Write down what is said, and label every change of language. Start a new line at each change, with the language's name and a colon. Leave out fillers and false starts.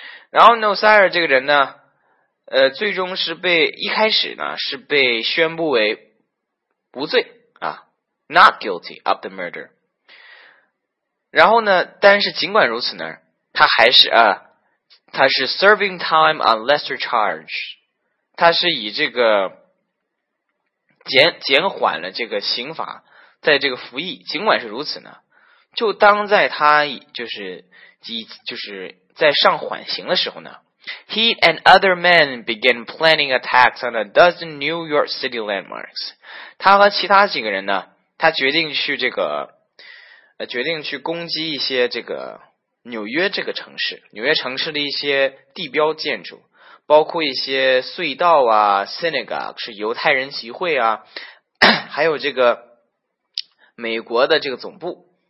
Chinese: 然后 Nosire 这个人呢，最终是被一开始呢是被宣布为无罪啊 ，
English: not guilty of the murder。
Chinese: 然后呢，但是尽管如此呢，他还是啊，他是
English: serving time on lesser charge，
Chinese: 他是以这个减缓了这个刑罚，在这个服役。尽管是如此呢，就当在他就是在上缓刑的时候呢
English: ，he and other men began planning attacks on a dozen New York City landmarks。
Chinese: 他和其他几个人呢，他决定去这个决定去攻击一些这个。纽约这个城市，纽约城市的一些地标建筑，包括一些隧道啊 ，synagogue 是犹太人集会啊，还有这个美国的这个总部。